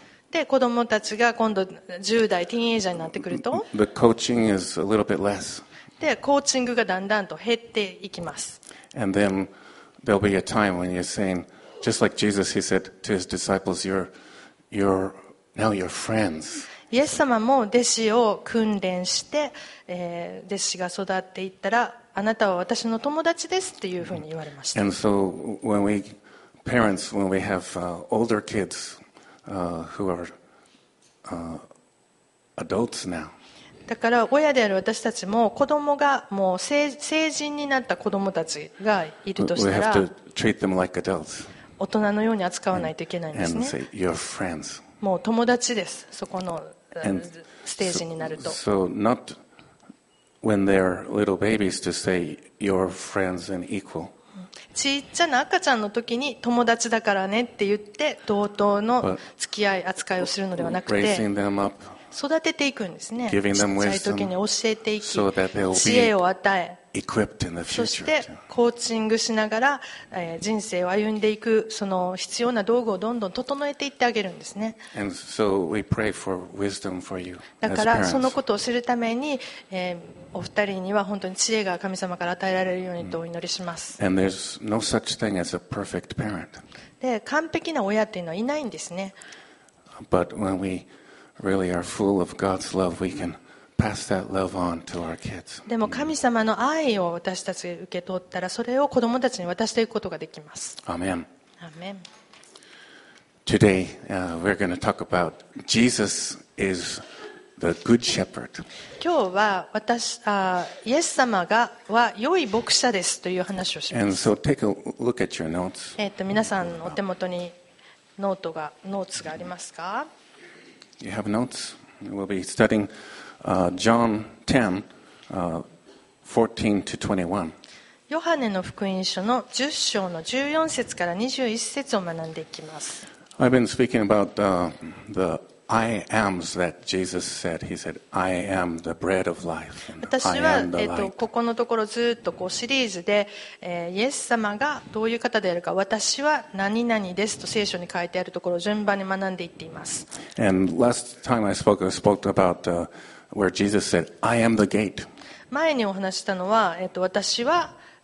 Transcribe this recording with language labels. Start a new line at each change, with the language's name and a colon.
Japanese: で子供たちが今度10代ティーンエイジャーになってくると、
English: The coaching is a little bit less.
Japanese: でコーチングがだんだんと減っていきます。
English: And then there'll be a time when you're saying, just like Jesus, he said to his disciples, now you're friends.
Japanese: イエス様も弟子を訓練して、弟子が育っていったら、あなたは私の友達ですっていうふうに言われました。
English: And so when we parents, when we have older kids who are adults now.
Japanese: だから親である私たちも子供がもう成人になった子供たちがいるとしたら、
English: we have to treat them like adults.
Japanese: 大人のように扱わないといけないんですね。
English: And say you're friends.
Japanese: もう友達です。そこのステージになると。
English: So not. When they're little babies, to say your friends and equal.
Japanese: ちっちゃな赤ちゃんの時に友達だからねって言って同等の付き合い扱いをするのではなくて、
English: raising them up,
Japanese: 育てていくんですね。
English: giving them wisdom,
Japanese: ちっちゃい時に教えていき、
English: so that they'll be
Japanese: 知恵を与え、
English: equipped in the future.
Japanese: そしてコーチングしながら人生を歩んでいく、その必要な道具をどんどん整えていってあげるんですね。
English: And so we pray for wisdom for you as parents.
Japanese: だからそのことを知るためにお二人には本当に知恵が神様から与えられるようにとお祈りします。
English: And there's no such thing as a perfect parent.
Japanese: で、完璧な親っていうのはいないんですね。
English: But when we really are full of God's love, we can pass that love on to our kids.
Japanese: でも神様の愛を私たちが受け取ったら、それを子供たちに渡していくことができます。
English: Amen. Amen. Today, we're going to talk about Jesus is. The good shepherd.
Japanese: 今日は私、イエス様がは良い牧者ですという話をします。
English: And so take a look at your notes.
Japanese: 皆さんお手元にノーツがありますか？
English: You have notes? We'll be studying John 10, 14 to 21.
Japanese: ヨハネの福音書の10章の14節から21節を学んでいきます。
English: I've been speaking about the I ams that Jesus said. He said, "I am the bread of life." And
Japanese: 私は、ここのところずっとこうシリーズで、イエス様がどういう方であるか、私は何々ですと聖書に書いてあるところを順番に学んでいっています。
English: And last time I spoke about where Jesus said, "I am the gate."
Japanese: 前にお話したのは、私は、